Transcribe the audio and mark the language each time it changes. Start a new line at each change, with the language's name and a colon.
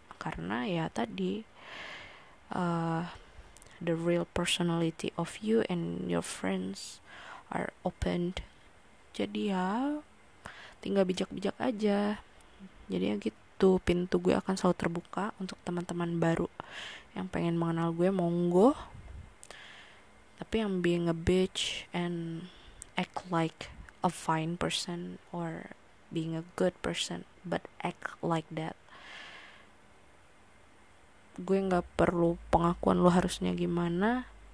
Indonesian: Karena ya tadi,
English: the real personality of you and your friends are opened.
Indonesian: Jadi ya tinggal bijak-bijak aja. Jadi ya gitu, pintu gue akan selalu terbuka untuk teman-teman baru yang pengen mengenal gue, monggo.
English: Tapi yang being a bitch and act like a fine person or being a good person but act like that,
Indonesian: gue gak perlu pengakuan lo harusnya gimana.